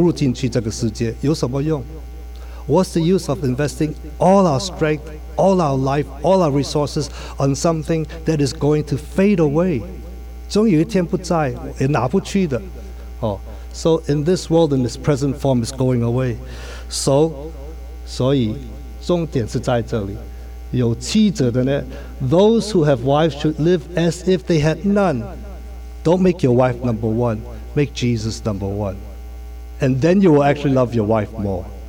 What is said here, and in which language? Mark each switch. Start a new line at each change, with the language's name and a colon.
Chinese: 这个是重要的纪念，要记得，这个世界是短暂的。我们把全部的生命、时间、才能、everything投入进去这个世界，有什么用？
English: What's the use of investing all our strength, all our life, all our resources on something that is going to fade away?
Chinese: 终有一天不在，也拿不去的。
English: Oh, so in this world, in this present form, is going away.
Chinese: So, 所以重点是在这里。有妻者的呢,
English: those who have wives should live as if they had none. Don't make your wife number one, make Jesus number one. And then you will actually love your wife more.